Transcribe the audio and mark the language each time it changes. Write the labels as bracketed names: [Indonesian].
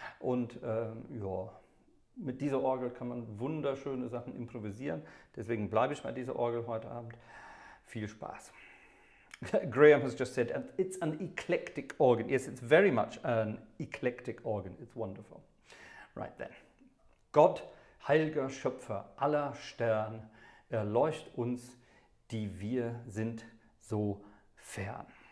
[German] Und mit dieser Orgel kann man wunderschöne Sachen improvisieren. Deswegen bleibe ich bei dieser Orgel heute Abend. Viel Spaß. [English] Graham has just said, it's an eclectic organ. Yes, it's very much an eclectic organ. It's wonderful. Right then. [German] Gott, heiliger Schöpfer aller Stern, erleucht uns, die wir sind so fern.